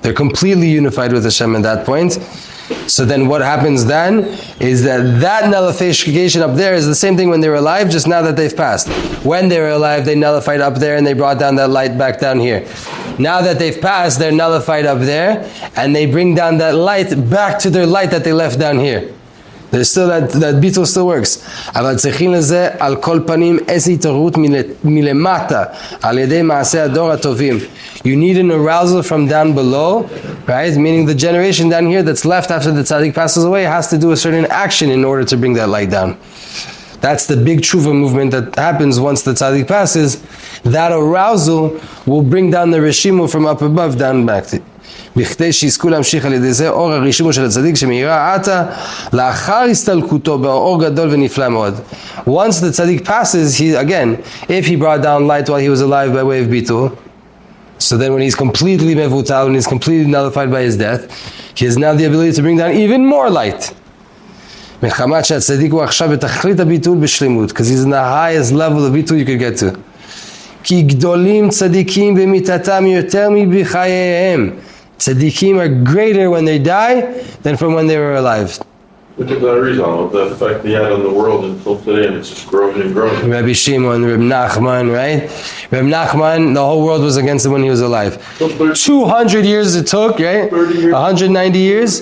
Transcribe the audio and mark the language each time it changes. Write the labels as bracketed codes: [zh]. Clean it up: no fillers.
[en] They're completely unified with Hashem at that point. So then what happens then, is that that nullification up there is the same thing when they're alive, just now that they've passed. When they're alive, they nullified up there, and they brought down that light back down here. Now that they've passed, they're nullified up there, and they bring down that light back to their light that they left down here. There's still that beetle still works. [he] אבל צריכים לזה על כל פנים איזה התעוררות מלמטה על ידי מעשי הדור הטובים. [en] You need an arousal from down below, right? Meaning the generation down here that's left after the tzaddik passes away has to do a certain action in order to bring that light down. That's the big tshuva movement that happens once the tzaddik passes. That arousal will bring down the reshimu from up above down back to. [he] בכדי שיזכו להמשיך על ידי זה אור הרשימו של הצדיק שמאירה עתה לאחר הסתלקותו באור גדול ונפלא מאוד. [en] Once the tzaddik passes, he, again, if he brought down light while he was alive by way of bitul, so then when he's completely mevutal, when he's completely nullified by his death, he has now the ability to bring down even more light. [he] מחמת שהצדיק הוא עכשיו בתכלית הביטול בשלמות, [en] because he's in the highest level of bitul you could get to. [he] כי גדולים צדיקים במיטתם יותר מבחייהם. [en] Tzaddikim are greater when they die than from when they were alive. Look at the reason of the effect he had on the world until today, and it's just growing and growing. Rabbi Shimon, Rabbi Nachman, right? Rabbi Nachman, the whole world was against him when he was alive. 200 years it took, right? 190 years.